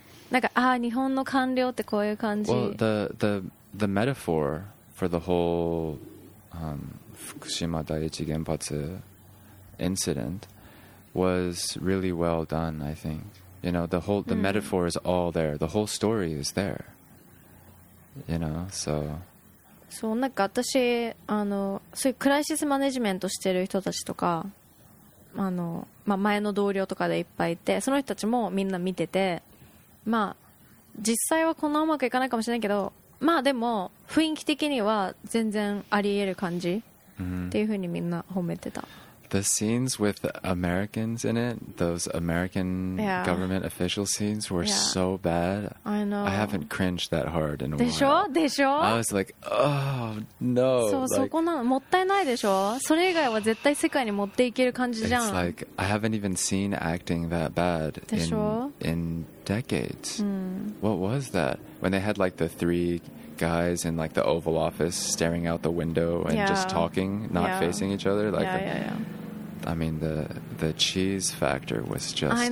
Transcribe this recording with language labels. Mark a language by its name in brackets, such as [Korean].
[Japanese] なんか、ああ、日本の官僚ってこういう感じ。 [English] Well, the metaphor for the whole、福島第一原発 incident was really well done, I think. You know, the metaphor is all there. The whole story is there. You know, so. [Japanese] そう、なんか私、あの、そういうクライシスマネジメントしてる人たちとか、あの、まあ、前の同僚とかでいっぱいいて、その人たちもみんな見てて、まあ実際はこんなうまくいかないかもしれないけど、まあでも雰囲気的には全然あり得る感じ、mm-hmm. っていう風にみんな褒めてた。 [English] The scenes with the Americans in it, those American、yeah. government official scenes were、yeah. so bad. I know. I haven't cringed that hard in a [Japanese] while. でしょ?でしょ? [English] I was like, oh, no. [Japanese] そう、 [English] like, [Japanese] そこなの。もったいないでしょ?それ以外は絶対世界に持っていける感じじゃん。 [English] It's like, I haven't even seen acting that bad in decades.、うん、 What was that? When they had like the three... guys in like the Oval Office staring out the window and、 yeah. just talking, not、 yeah. facing each other. Like, yeah, yeah, yeah. I mean, the cheese factor was just